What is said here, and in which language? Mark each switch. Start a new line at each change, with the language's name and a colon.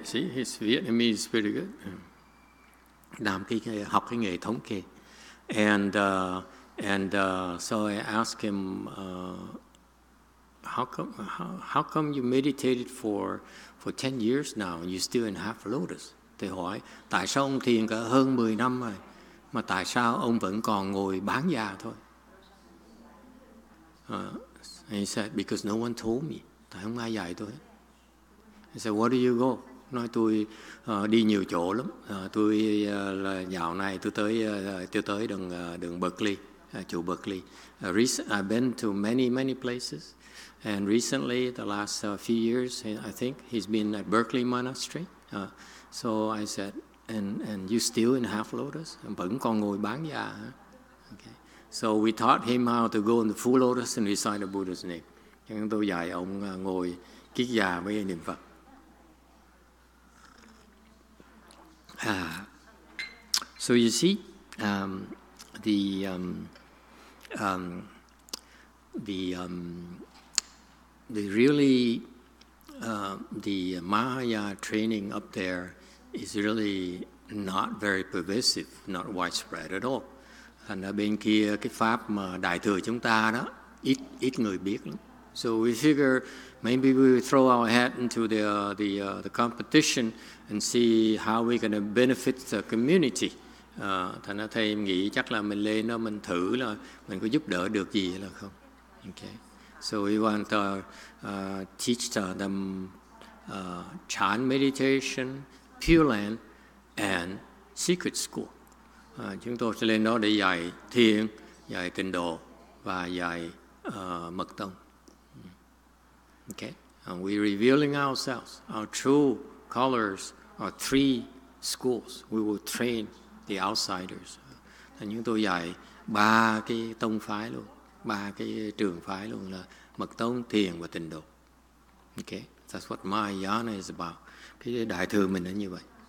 English: See, his Vietnamese is pretty good.
Vietnamese: Làm cái học cái nghề thống kê.
English: So I asked him, how come you meditated for 10 years now and you still in half lotus?
Vietnamese: Thầy hỏi, tại sao ông thiền cả hơn 10 năm rồi, mà tại sao ông vẫn còn ngồi bán già thôi?
English: He said, because no one told me.
Vietnamese: Tại không ai dạy tôi.
English: He said, where do you go?
Vietnamese: Nói tôi đi nhiều chỗ lắm. Tôi dạo này tôi tới đường Berkeley, chùa Berkeley.
English: I've been to many, many places. And recently, the last few years, I think, he's been at Berkeley Monastery. So I said, and you still in half lotus?
Vietnamese: Vẫn còn ngồi bán già.
English: Okay. So we taught him how to go in the full lotus and recite the Buddha's name.
Vietnamese: Chúng tôi dạy ông ngồi kiết già với niệm Phật.
English: So you see, the Mahayana training up there is really not very pervasive, not widespread at all.
Vietnamese: Thành ra bên kia cái pháp mà đại thừa chúng ta đó ít người biết lắm.
English: So we figure maybe we throw our hat into the competition and see how we're going to benefit the community.
Vietnamese: Thành ra thầy nghĩ chắc là mình lên đó mình thử là mình có giúp đỡ được gì là không.
English: Okay. So we want to teach them chan meditation, Pure Land and Secret School.
Vietnamese: Chúng tôi sẽ lên đó để dạy thiền, dạy tịnh độ và dạy mật tông.
English: Okay, and we're revealing ourselves. Our true colors are three schools. We will train the outsiders.
Vietnamese: Thành những tôi dạy ba cái tông phái luôn, ba cái trường phái luôn là mật tông, thiền và tịnh độ.
English: Okay, that's what Mahayana is about.
Vietnamese: Cái đại thừa mình là như vậy.